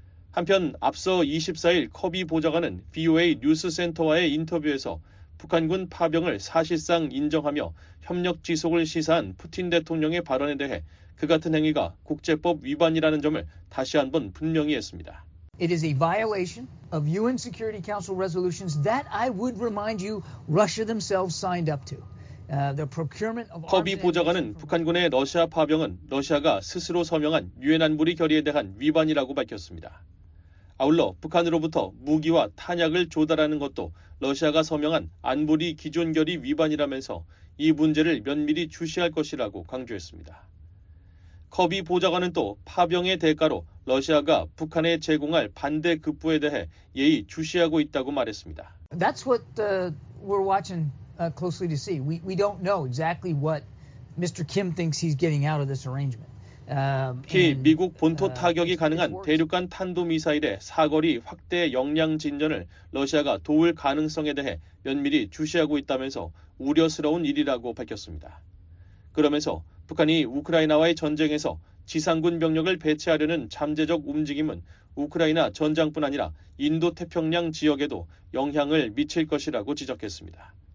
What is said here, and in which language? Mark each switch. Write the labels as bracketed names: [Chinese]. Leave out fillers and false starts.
[Korean] 한편 앞서 24일 커비 보좌관은 VOA 뉴스센터와의 인터뷰에서 북한군 파병을 사실상 인정하며 협력 지속을 시사한 푸틴 대통령의 발언에 대해 그 같은 행위가 국제법 위반이라는 점을 다시 한번 분명히 했습니다. [English] It is a violation of UN Security Council resolutions that I would remind you Russia themselves signed up to. The procurement of [Korean] 커비 보좌관은 북한군의 러시아 파병은 러시아가 스스로 서명한 유엔 안보리 결의에 대한 위반이라고 밝혔습니다. 아울러 북한으로부터 무기와 탄약을 조달하는 것도 러시아가 서명한 안보리 기존 결의 위반이라면서 이 문제를 면밀히 주시할 것이라고 강조했습니다. 커비 보좌관은 또 파병의 대가로 러시아가 북한에 제공할 반대 급부에 대해 예의 주시하고 있다고 말했습니다. [English] That's what we're watching closely to see. We don't know exactly what Mr. Kim thinks he's getting out of this arrangement. [Korean] 특히 미국 본토 타격이 가능한 대륙간 탄도미사일의 사거리 확대 역량 진전을 러시아가 도울 가능성에 대해 면밀히 주시하고 있다면서 우려스러운 일이라고 밝혔습니다. 그러면서 북한이 우크라이나와의 전쟁에서 지상군 병력을 배치하려는 잠재적 움직임은 우크라이나 전장뿐 아니라 인도태평양 지역에도 영향을 미칠 것이라고 지적했습니다.